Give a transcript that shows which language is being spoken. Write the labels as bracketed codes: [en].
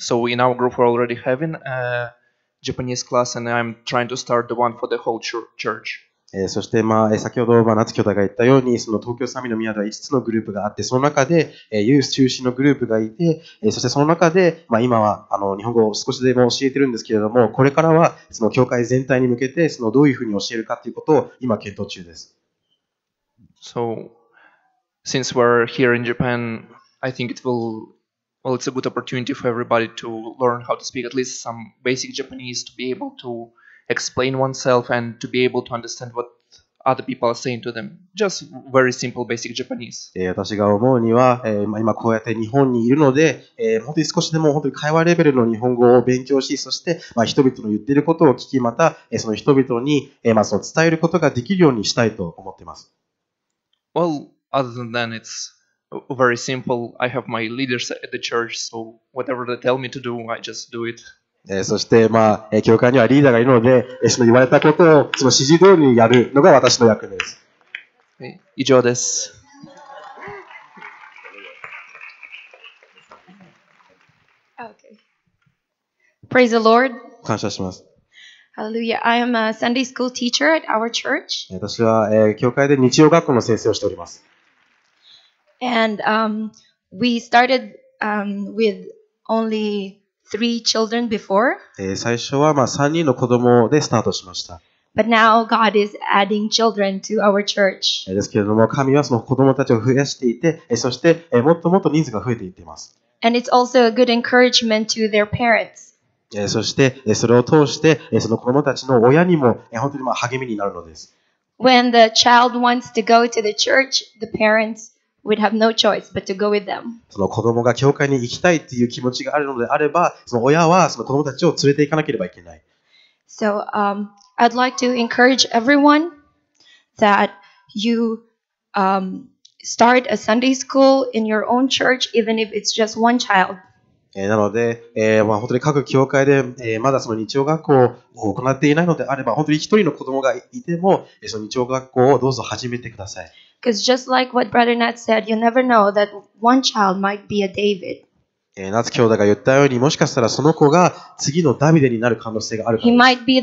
[en] So in our group we're already having a Japanese class and I'm trying to start the one for the whole church. [ja] そして、まあ、先ほど、まあ、夏兄弟が言ったように、その東京サミの宮では5つのグループがあって、その中で、ユース中心のグループがいて、そしてその中で、まあ、今はあの日本語を少しでも教えてるんですけれども、これからはその教会全体に向けてそのどういうふうに教えるかということを今検討中です。 [en] So,Since we're here in Japan, I think it will, well, it's a good opportunity for everybody to learn how to speak at least some basic Japanese to be able to explain oneself and to be able to understand what other people are saying to them. Just very simple basic Japanese. [ja] 私が思うには、今こうやって日本にいるので、本当に少しでも本当に会話レベルの日本語を勉強し、そして、まあ、人々の言っていることを聞き、また、その人々に、まあ、その伝えることができるようにしたいと思っています。 [en] Well,Other than that, it's very simple. I have my leaders at the church, so whatever they tell me to do, I just do it. [ja] そして、まあ、教会にはリーダーがいるので、その言われたことをその指示通りにやるのが私の役目です。以上です。 [en] Okay. Praise the Lord. [ja] 感謝します。 [en] Hallelujah. I am a Sunday school teacher at our church. [ja] 私は、教会で日曜学校の先生をしております。 [en] And we started with only three children before. [ja] 最初はまあ3人の子供でスタートしました。 [en] But now God is adding children to our church. [ja] ですけれども、神はその子供たちを増やしていて、そしてもっともっと人数が増えていっています。 [en] And it's also a good encouragement to their parents. [ja] そしてそれを通してその子供たちの親にも本当にまあ励みになるのです。 [en] When the child wants to go to the church, the parents We'd have no choice but to go with them. [ja] その子供が教会に行きたいという気持ちがあるのであれば、その親はその子供たちを連れて行かなければいけない。 [en] So, I'd like to encourage everyone that you, start a Sunday school in your own church, even if it's just one child. [ja] なので、まあ、本当に各教会で、まだその日曜学校を行っていないのであれば、本当に一人の子供がいても、その日曜学校をどうぞ始めてください。 [en] Because just like what Brother Nat said, you never know that one child might be a David. [ja] 夏兄弟が言ったようにもしかしたらその子が次のダビデになる可能性があるかもしれません。